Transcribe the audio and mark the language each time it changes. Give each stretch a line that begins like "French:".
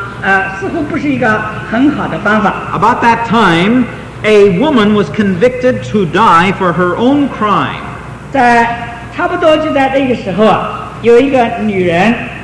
Chinese: 用电刑来支付我们犯严重罪恶的代价似乎不是一个很好的方法.
English: About that time, a woman was convicted to die for her own crime.
Chinese: 在差不多就在那个时候，有一个女人